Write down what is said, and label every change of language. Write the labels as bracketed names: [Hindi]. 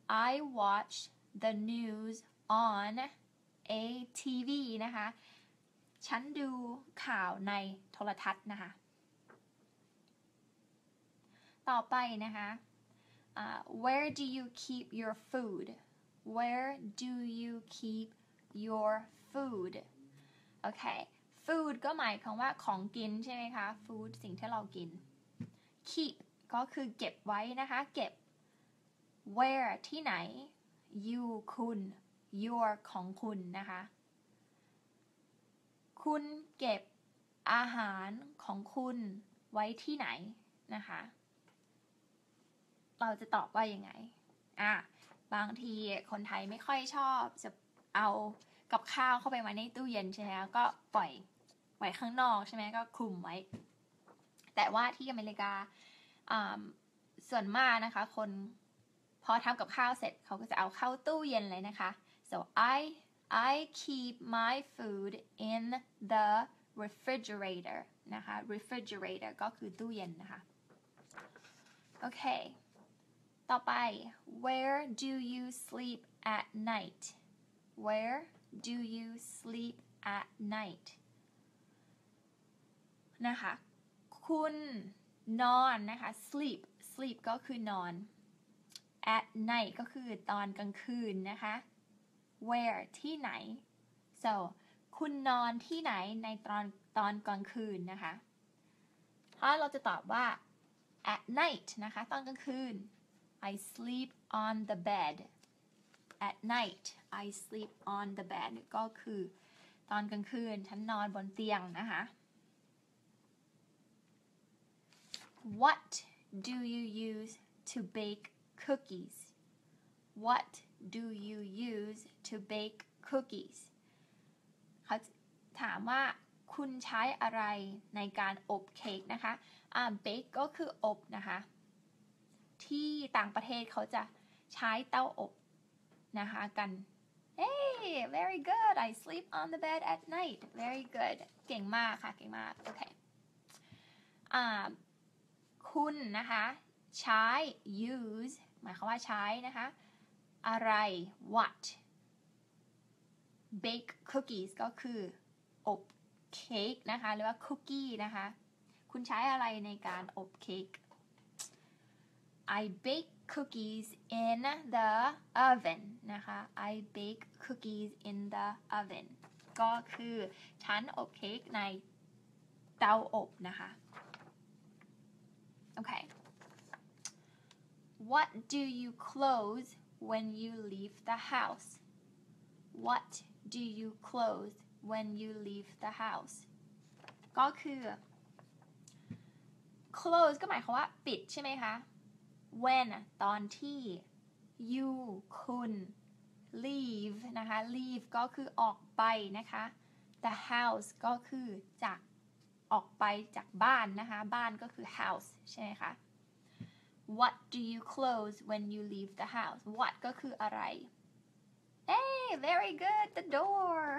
[English] I watch the news on a TV [Thai] นะคะฉันดูข่าวในโทรทัศน์นะคะต่อไปนะคะ [English] Where do you keep your food? Where do you keep your food? [Thai] Okay, food ก็หมายความว่าของกินใช่ไหมคะ Food สิ่งที่เรากิน Keep ก็คือเก็บไว้นะคะเก็บ Where ที่ไหน You คุณ Your ของคุณนะคะ คุณเก็บอาหารของคุณไว้ที่ไหนนะคะเราจะตอบว่ายังไงบางทีคนไทยไม่ค่อยชอบจะเอากับข้าวเข้าไปไว้ในตู้เย็นใช่ไหมก็ปล่อยข้างนอกใช่ไหมก็คลุมไว้แต่ว่าที่อเมริกา ส่วนมากนะคะคนพอทำกับข้าวเสร็จเขาก็จะเอาเข้าตู้เย็นเลยนะคะ [English] so I keep my food in the refrigerator [Thai] นะคะ refrigerator ก็คือตู้เย็นนะคะโอเคต่อไป [English] Where do you sleep at night? Where do you sleep at night? [Thai] นะคะคุณนอนนะคะ sleep ก็คือนอน at night ก็คือตอนกลางคืนนะคะ Where ที่ไหน so คุณนอนที่ไหนในตอนกลางคืนนะคะถ้าเราจะตอบว่า at night นะคะตอนกลางคืน [English] I sleep on the bed at night. I sleep on the bed. [Thai] ก็คือตอนกลางคืนฉันนอนบนเตียงนะคะ [English] What do you use to bake cookies? What do you use to bake cookies? [Thai] เขาถามว่าคุณใช้อะไรในการอบเค้กนะคะ bake ก็คืออบนะคะที่ต่างประเทศเขาจะใช้เตาอบนะคะกัน [English] Hey, very good. I sleep on the bed at night. Very good. [Thai] เก่งมากค่ะเก่งมากโอเคคุณนะคะใช้ use หมายความว่าใช้นะคะอะไร what bake cookies ก็คืออบเค้กนะคะหรือว่าคุกกี้นะคะคุณใช้อะไรในการอบเค้ก [English] I bake cookies in the oven นะคะ I bake cookies in the oven [Thai] ก็คือฉันอบเค้กในเตาอบนะคะโอเค [English] What do you close when you leave the house? What do you close when you leave the house? [Thai] ก็คือ close ก็หมายความว่าปิดใช่ไหมคะ When ตอนที่ you คุณ leave นะคะ leave ก็คือออกไปนะคะ the house ก็คือจากออกไปจากบ้านนะคะบ้านก็คือ house ใช่ไหมคะ [English] What do you close when you leave the house? What [Thai] ก็คืออะไร [English] Hey, very good, the door.